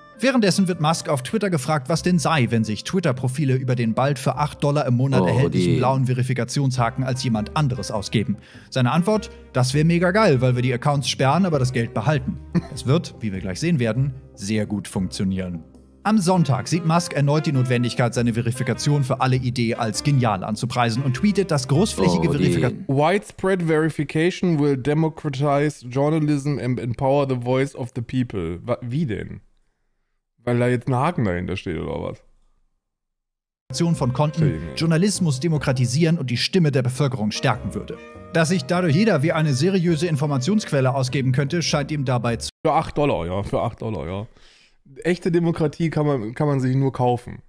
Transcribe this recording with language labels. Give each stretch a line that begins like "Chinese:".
German: Währenddessen wird Musk auf Twitter gefragt, was denn sei, wenn sich Twitter-Profile über den bald für $8 im Monat erhältlichen blauen Verifikationshaken als jemand anderes ausgeben. Seine Antwort? Das wäre mega geil, weil wir die Accounts sperren, aber das Geld behalten. Es wird, wie wir gleich sehen werden, sehr gut funktionieren. Am Sonntag sieht Musk erneut die Notwendigkeit, seine Verifikation für alle Idee als genial anzupreisen und tweetet, dass großflächige Verifikation...
English: Widespread verification will democratize journalism and empower the voice of the people.
German: Wie denn? Weil da jetzt ein Haken dahinter steht oder was? ...von Konten, Journalismus demokratisieren und die Stimme der Bevölkerung stärken würde. Dass sich dadurch jeder wie eine seriöse Informationsquelle ausgeben könnte, scheint ihm dabei zu... Für $8, ja, für $8, ja. Echte Demokratie kann man sich nur kaufen.